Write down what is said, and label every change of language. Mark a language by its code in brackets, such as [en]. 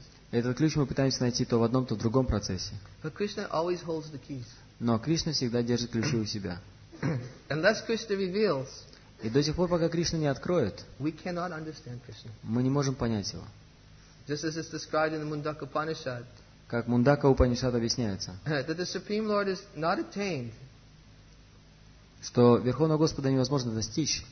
[ru] Этот ключ мы пытаемся найти то в одном, то в другом процессе. [en] But Krishna always holds the keys. [ru] Но Кришна всегда держит ключи у себя. [en] Unless Krishna reveals, [ru] и до тех пор, пока Кришна не откроет, [en] we cannot understand Krishna. [ru] Мы не можем понять его. [en] Just as it's described in the Mundaka Upanishad, [ru] как Мундака Упанишад объясняется, [en] that the Supreme Lord is not attained, [ru] что Верховного Господа невозможно достичь